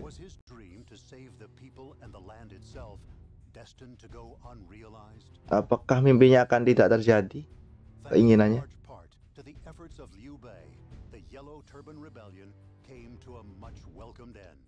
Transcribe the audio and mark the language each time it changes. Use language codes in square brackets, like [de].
[en] Was his dream to save the people and the land itself destined to go unrealized? [id] Apakah mimpinya akan tidak terjadi? Keinginannya? [en] Thanks in large part to the efforts of Liu Bei, the Yellow Turban Rebellion came to a much welcomed end.